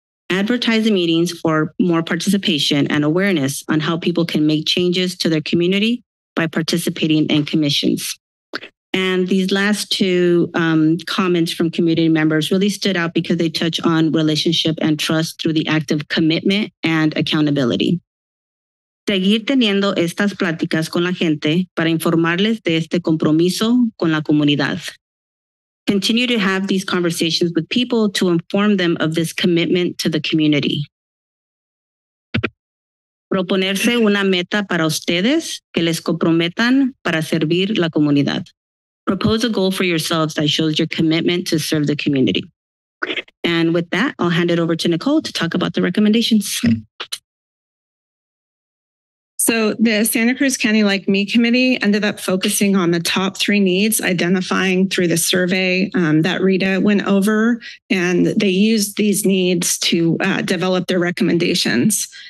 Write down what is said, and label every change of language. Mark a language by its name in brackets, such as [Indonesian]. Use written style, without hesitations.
[English] Advertise the meetings for more participation and awareness on how people can make changes to their community by participating in commissions. And these last two comments from community members really stood out because they touch on relationship and trust through the act of commitment and accountability. [Spanish] Seguir teniendo estas pláticas con la gente para informarles de este compromiso con la comunidad. [English] Continue to have these conversations with people to inform them of this commitment to the community. [Spanish] Proponerse una meta para ustedes que les comprometan para servir la comunidad. [English] Propose a goal for yourselves that shows your commitment to serve the community. And with that, I'll hand it over to Nicole to talk about the recommendations. So the Santa Cruz County Like Me Committee ended up focusing on the top three needs identifying through the survey that Rita went over, and they used these needs to develop their recommendations.